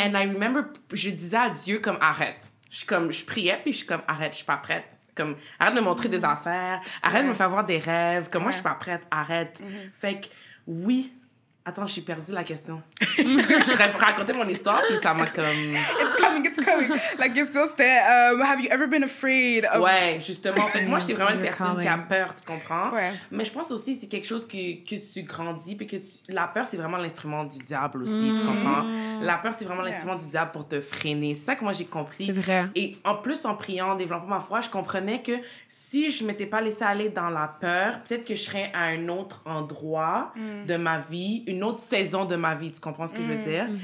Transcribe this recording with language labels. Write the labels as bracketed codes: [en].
[en] And I remember, [fr] je disais à Dieu comme, arrête. Je priais, puis je suis comme, arrête, je suis pas prête. Comme, arrête de me montrer des affaires, arrête de me faire voir des rêves. Comme, moi, je suis pas prête, arrête. Mm-hmm. Fait que, oui, Attends, j'ai perdu la question. Je racontais mon histoire, puis ça m'a comme... [en] It's coming. [fr] La question, c'était, [en] have you ever been afraid of... [fr] Ouais, justement. Fait, moi, je suis vraiment une personne qui a peur, tu comprends? Ouais. Mais je pense aussi que c'est quelque chose que tu grandis, puis que tu... la peur, c'est vraiment l'instrument du diable aussi, tu comprends? La peur, c'est vraiment l'instrument du diable pour te freiner. C'est ça que moi, j'ai compris. C'est vrai. Et en plus, en priant, en développant ma foi, je comprenais que si je ne m'étais pas laissée aller dans la peur, peut-être que je serais à un autre endroit de ma vie, une autre saison de ma vie, tu comprends ce que je veux dire?